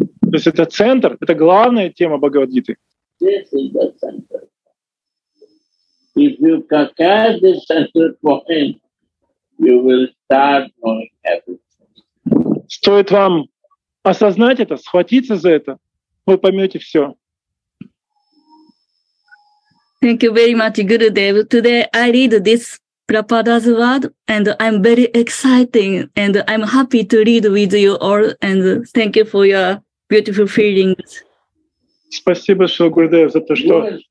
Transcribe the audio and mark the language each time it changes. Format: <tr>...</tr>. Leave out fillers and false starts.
<ru>То есть это центр, это главная тема Бхагавад-гиты.</ru> <en>This is the center. If you conquer this central point, you will start knowing everything.</en> <ru>Стоит вам осознать это, схватиться за это, вы поймете все.</ru> <en>Thank you very much, Gurudev. Today I read this Prabhupada's word and I'm very exciting and I'm happy to read with you all and thank you for your beautiful feelings.</en> <ru>Спасибо, Шрила Гурудев, за то, что...</ru>